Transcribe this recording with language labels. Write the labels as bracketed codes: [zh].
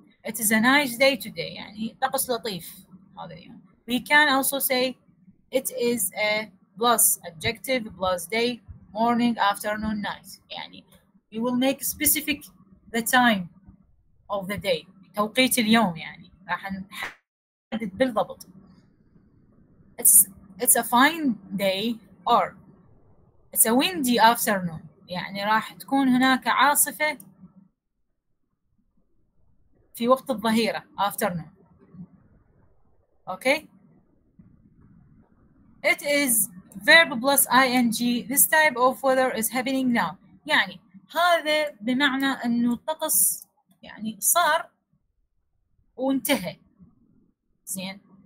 [en] It is a nice day today. [ar] يعني طقس لطيف هذا اليوم. [en] We can also say it is a plus adjective plus day morning afternoon night. يعني we will make specific the time of the day. [ar] توقيت اليوم يعني راح نحدد بالضبط. [en] It's a fine day or it's a windy afternoon. [ar] يعني راح تكون هناك عاصفة. في وقت الظهيرة afternoon okay [en] it is verb plus ing this type of weather is happening now [ar] يعني هذا بمعنى انه الطقس يعني صار وانتهى زين